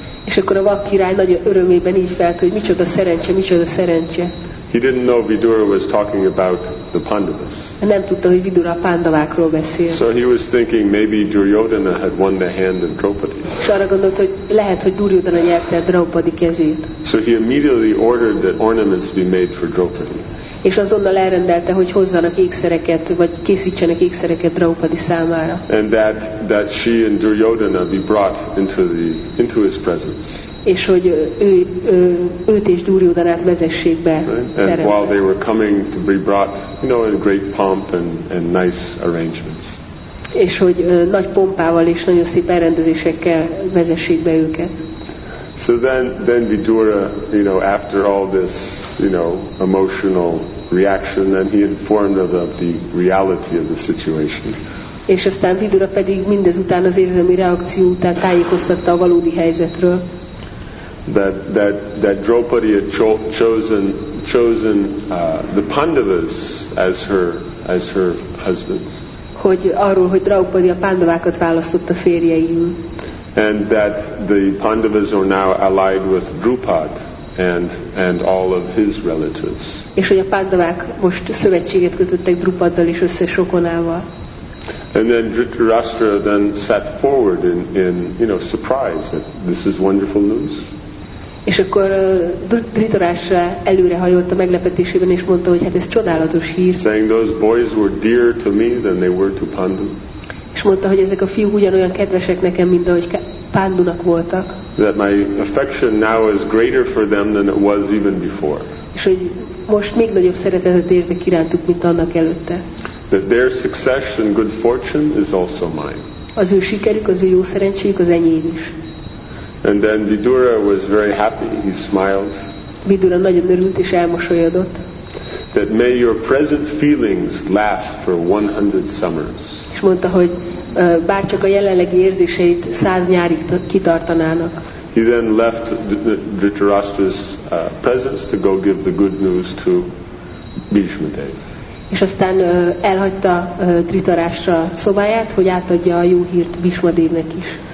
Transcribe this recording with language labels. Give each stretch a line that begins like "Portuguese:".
Hungarian: És akkor a vak király nagy örömében így felt, hogy micsoda szerencse, micsoda szerencse.
English: He didn't know Vidura was talking about the Pandavas.
Hungarian: Nem tudta, hogy Vidura a pándavákról beszél.
English: So he was thinking maybe Duryodhana had won the hand of Draupadi.
Hungarian: És arra gondolt, hogy lehet, hogy Duryodhana nyerte a Draupadi kezét.
English: So he immediately ordered that ornaments be made for Draupadi.
Hungarian: És azonnal elrendelte, hogy hozzanak ékszereket, vagy készítsenek ékszereket Draupadi számára.
English: And that she and Duryodhana be brought into his presence.
Hungarian: És hogy őt és Duryodhanát vezessék be.
English: Right? And while they were coming to be brought, you know, in great pomp and nice arrangements.
Hungarian: És hogy nagy pompával és nagyon szép elrendezésekkel vezessék be őket.
English: So then Vidura, you know, after all this, you know, emotional reaction, then he informed of the reality of the situation.
Hungarian: És aztán Vidura pedig mindezután az érzelmi reakció után tájékoztatta a valódi helyzetről.
English: That Draupadi had chosen the Pandavas as her husbands.
Hungarian: Hogy arról, hogy Draupadi a pándavákat választotta férjeiül.
English: And that the Pandavas are now allied with Drupad and all of his relatives.
Hungarian: És hogy a pándavák most szövetséget kötöttek Drupaddal és összes rokonával.
English: And then Dhritarashtra then sat forward in you know surprise that this is wonderful news.
Hungarian: És akkor Dhritarashtra előrehajolt a meglepetésében, és mondta, hogy hát ez csodálatos hír.
English: Saying those boys were dear to me than they were to Pandu.
Hungarian: És mondta, hogy ezek a fiúk ugyanolyan kedvesek nekem, mint ahogy Pándunak voltak.
English: That my affection now is greater for them than it was even before.
Hungarian: És hogy most még nagyobb szeretetet érzek irántuk, mint annak előtte.
English: That their success and good fortune is also mine.
Hungarian: Az ő sikerük, az ő jó szerencséjük, az enyém is.
English: And then Vidura was very happy. He smiled.
Hungarian: Vidura nagyon örült és elmosolyodott.
English: That may your present feelings last for 100 summers.
Hungarian: És mondta, hogy bárcsak a jelenlegi érzéseit 100 nyárig kitartanának.
English: He then left Dhritarashtra's presence to go give the good news to Bhishmadev.
Hungarian: És aztán elhagyta Dhritarashtra szobáját, hogy átadja a jó hírt Bhishmadevnek is.